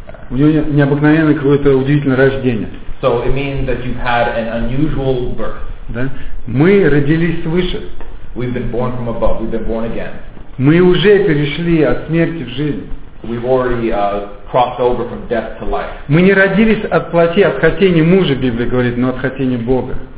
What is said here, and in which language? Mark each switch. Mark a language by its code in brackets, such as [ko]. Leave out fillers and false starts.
[ru] У него необыкновенное какое-то удивительное рождение. [en] So it means that you've had an unusual birth. [ru] Да? Мы родились свыше. [en] We've been born from above. We've been born again. [ru] Мы уже перешли от смерти в жизнь. [en] We've already crossed over from death to life. [ru] Мы не родились от плоти, от хотения мужа, Библия говорит, но от хотения Бога.